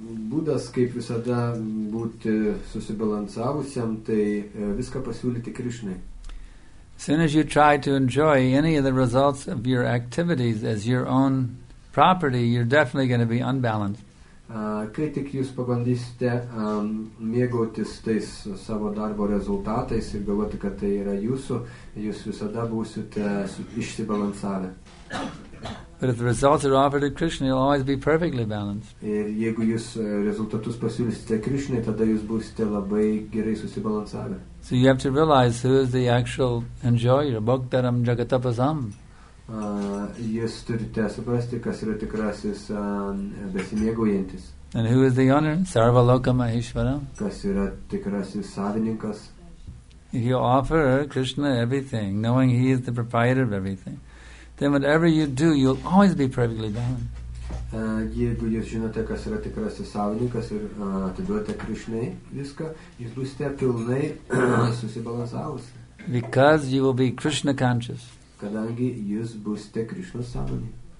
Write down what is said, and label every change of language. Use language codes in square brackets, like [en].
[lt] būdas, kaip visada būti susibalansavusiam, tai viską pasiūlyti Krišnai. [en] As soon as you try to enjoy any of the results of your activities as your own property, you're definitely going to be unbalanced. [lt] Kai tik jūs pabandysite mėgautis tais savo darbo rezultatais ir galvoti, kad tai yra jūsų, jūs visada būsite išsibalansavę. [en] But if the results are offered to Krishna, you'll always be perfectly balanced. [lt] Ir jeigu jūs rezultatus pasiūlysite Krishnai, tada jūs būsite labai gerai susibalansavę. [en] So you have to realize who is the actual enjoyer, [sa] Bhaktaram Jagatapasam. [lt] Jūs turite suprasti, kas yra tikrasis besimėgaujantis. [en] And who is the owner? [sa] Sarvaloka Maheshwaram. [lt] Kas yra tikrasis savininkas? [en] If you offer Krishna everything, knowing he is the proprietor of everything, then whatever you do, you'll always be perfectly balanced. [lt] Jeigu jūs žinote, kas yra tikrasis savininkas ir atiduote Krishnai viską, jūs būsite pilnai susibalansavus. [en] Because you will be Krishna conscious. [lt] Kadangi jūs būsite Krishna sąmonė.